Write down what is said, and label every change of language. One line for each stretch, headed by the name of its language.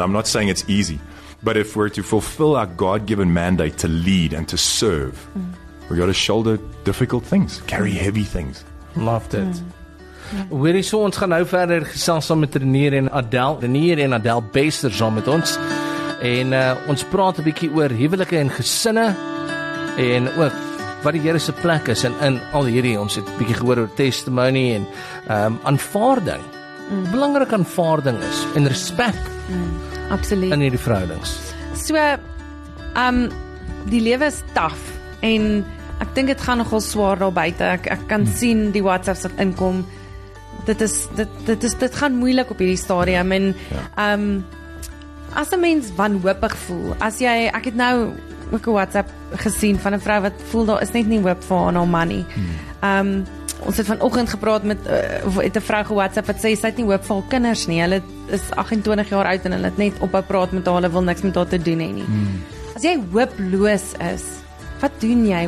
English: I'm not saying it's easy. But if we're to fulfill our God-given mandate to lead and to serve, we got to shoulder difficult things, carry heavy things. Loved it.
Afrikaans: Weerie, so ons gaan nou verder gesels saam met Renier en Adel. Renier en Adel Bester saam met ons. En ons praat 'n bietjie oor huwelike en gesinne en ook wat die Here se plek is in al hierdie. Ons het 'n bietjie gehoor oor testimony en aanvaarding. Belangrik aanvaarding is en respek. Absoluut. In hierdie verhoudings. So die lewe is taf en ek dink dit gaan nogal swaar daar buite. Ek kan sien die WhatsApps wat inkom. Dit gaan moeilik op hierdie stadium en as 'n mens wanhoopig voel, as jy, ek het nou ook 'n WhatsApp gesien van 'n vrou wat voel daar is net nie hoop vir haar en haar man nie. Ons het vanoggend gepraat met het 'n vrou ge-WhatsApp wat sê sy het nie hoop vir haar kinders nie. Hulle is 28 jaar oud en hulle het net ophou praat met haar, hulle wil niks met haar te doen nie. As jy hooploos is, wat doen jy?